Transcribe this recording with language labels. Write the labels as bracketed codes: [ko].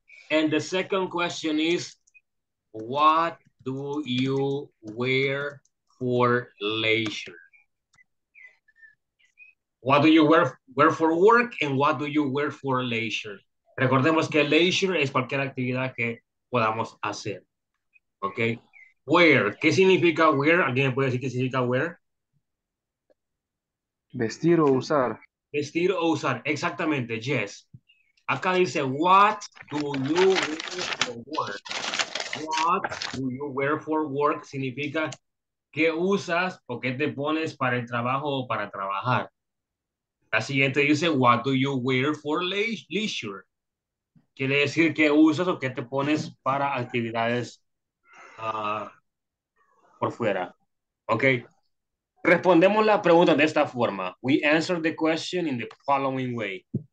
[en] And the second question is, what do you wear for leisure? What do you wear for work and what do you wear for leisure? [es] Recordemos que leisure es cualquier actividad que podamos hacer. Ok. Wear. ¿Qué significa wear? ¿Alguien me puede decir qué significa wear? Vestir o usar. Vestir o usar. Exactamente. Yes. Acá dice, [en] what do you wear for work? What do you wear for work? [es] Significa, ¿qué usas o qué te pones para el trabajo o para trabajar? La siguiente dice, [en] what do you wear for leisure? [es] Quiere decir qué usas o qué te pones para actividades por fuera. Ok. Respondemos la pregunta de esta forma. [en] We answer the question in the following way.